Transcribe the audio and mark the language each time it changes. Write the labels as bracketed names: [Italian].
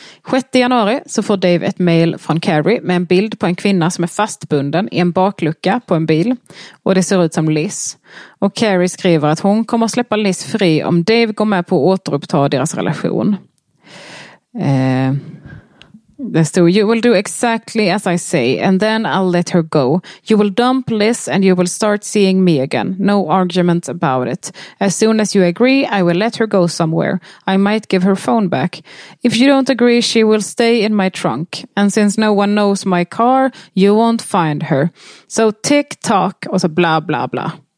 [Swedish] 6 januari så får Dave ett mail från Carrie med en bild på en kvinna som är fastbunden i en baklucka på en bil. Och det ser ut som Liz. Och Carrie skriver att hon kommer att släppa Liz fri om Dave går med på att återuppta deras relation. [English] Det står, you will do exactly as I say and then I'll let her go. You will dump Liz and you will start seeing me again. No argument about it. As soon as you agree, I will let her go somewhere. I might give her phone back. If you don't agree, she will stay in my trunk. And since no one knows my car, you won't find her. So tick tock [Swedish] och så bla bla bla.